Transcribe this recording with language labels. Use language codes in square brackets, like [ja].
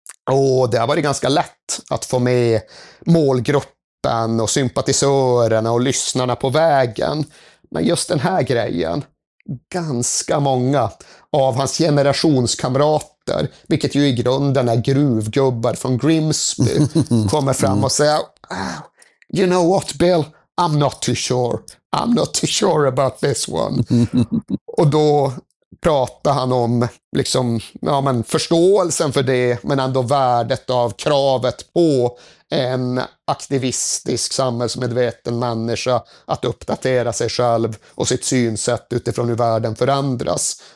[sv] Och det har varit ganska lätt att få med målgrupp och sympatisörerna och lyssnarna på vägen. Men just den här grejen, ganska många av hans generationskamrater, vilket ju i grunden är gruvgubbar från Grimsby, kommer fram och säger, [en] you know what Bill, I'm not too sure. I'm not too sure about this one. [sv] Och då pratar han om liksom, ja, men förståelsen för det, men ändå värdet av kravet på en aktivistisk, samhällsmedveten människa att uppdatera sig själv och sitt synsätt utifrån hur världen förändras.